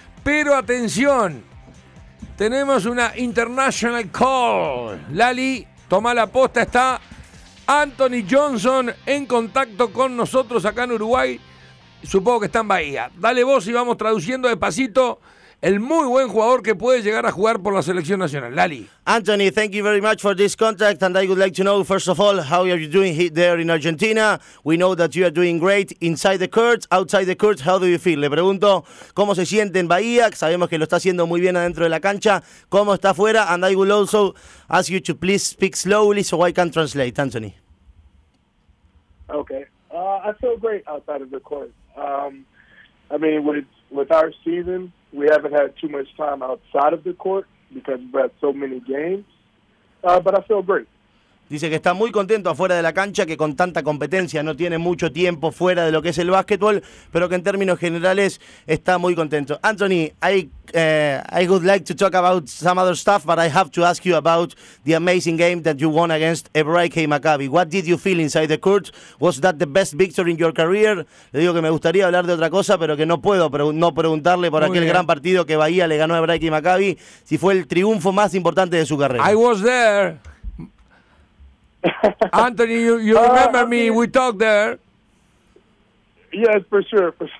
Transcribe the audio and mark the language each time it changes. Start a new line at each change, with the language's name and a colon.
Spanish: Pero atención, tenemos una
English: international call.
Spanish: Lali, toma la posta, está Anthony Johnson en contacto con nosotros acá en Uruguay. Supongo que está en Bahía. Dale voz y vamos traduciendo despacito. El muy buen jugador que puede llegar a jugar por la selección nacional, Lali.
English: Anthony, thank you very much for this contact, and I would like to know, first of all, how are you doing there in Argentina? We know that you are doing great inside the court, outside the court, how do you feel?
Spanish: Le pregunto, ¿cómo se siente en Bahía? Sabemos que lo está haciendo muy bien adentro de la cancha. ¿Cómo está afuera?
English: And I would also ask you to please speak slowly so I can translate, Anthony. Okay, I feel great outside of the court. With our season, we haven't had too much time outside of the court because we've had so many games, but I feel great.
Spanish: Dice que está muy contento afuera de la cancha, que con tanta competencia no tiene mucho tiempo fuera de lo que es el básquetbol, pero que en términos generales está muy contento.
English: Anthony, I would like to talk about some other stuff, but I have to ask you about the amazing game that you won against Hebraica Maccabi. What did you feel inside the court? Was that the best victory in your career?
Spanish: Le digo que me gustaría hablar de otra cosa, pero que no puedo no preguntarle por aquel gran partido que Bahía le ganó a Hebraica Maccabi, si fue el triunfo más importante de su carrera.
English: I was there. Anthony, you remember me, we talked there. Yes, for sure.